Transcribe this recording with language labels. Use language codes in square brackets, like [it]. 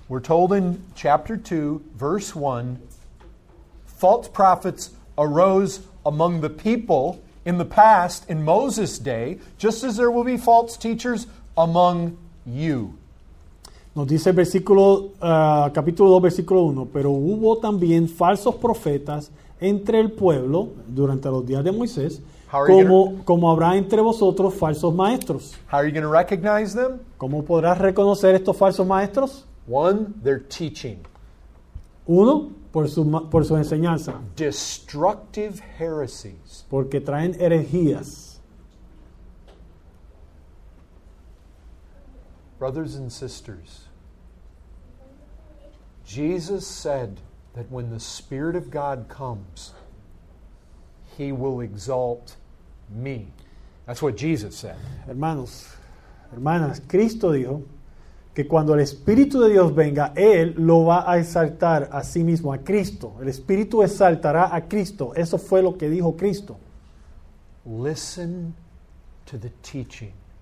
[en] We're told in chapter 2, verse 1, false prophets arose among the people in the past, in Moses' day, just as there will be false teachers among you. [es] Nos dice el versículo, capítulo 2, versículo 1, pero hubo también falsos profetas entre el pueblo durante los días de Moisés, como habrá entre vosotros falsos maestros. [en] How are you going to recognize them? [es] ¿Cómo podrás reconocer estos falsos maestros? [en] One, their teaching. [es] Uno, por su enseñanza. [en] Destructive heresies. [es] Porque traen herejías. [en] Brothers and sisters, Jesus said that when the Spirit of God comes, He will exalt me. That's what Jesus said. [es] Hermanos, hermanas, Cristo dijo que cuando el Espíritu de Dios venga, Él lo va a exaltar a sí mismo, a Cristo. El Espíritu exaltará a Cristo. Eso fue lo que dijo Cristo. [en] Listen to the teaching.